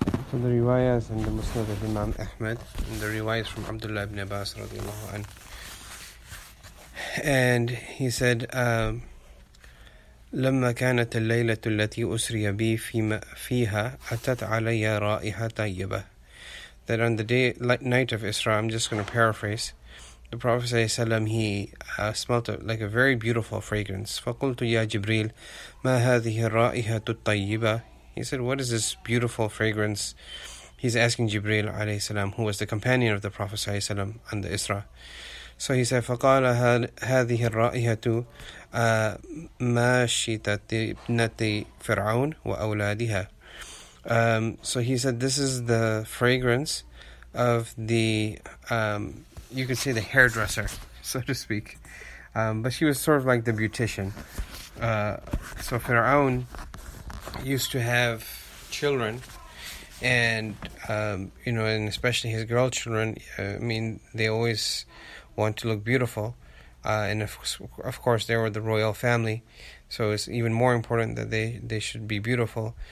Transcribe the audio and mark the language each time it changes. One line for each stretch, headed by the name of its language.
English: So the riwayah is in the Musnad of Imam Ahmad, and the riwayah is from Abdullah ibn Abbas radiallahu anhu. And he said,
Arabic: لما كانت الليلة التي أسري بي فيها أتت علي رائحة طيبة.
English: That on the day, like, night of Isra, I'm just going to paraphrase, the Prophet صلى الله عليه وسلم, he smelt a, like a very beautiful fragrance.
Arabic: فقلت يا جبريل ما هذه الرائحة الطيبة
English: He said, what is this beautiful fragrance? He's asking Jibreel alayhi salam, who was the companion of the Prophet alayhi salam on the Isra. So he said,
Arabic: فَقَالَ هَذِهِ الرَّائِحَةُ مَاشِتَةِ ابْنَةِ فِرْعَوْنِ وَأَوْلَادِهَا.
English: So he said, this is the fragrance of the, you could say the hairdresser, so to speak. But she was sort of like the beautician. So Fir'aun used to have children, and you know, and especially his girl children, I mean, they always want to look beautiful, and of course they were the royal family, so it's even more important that they should be beautiful.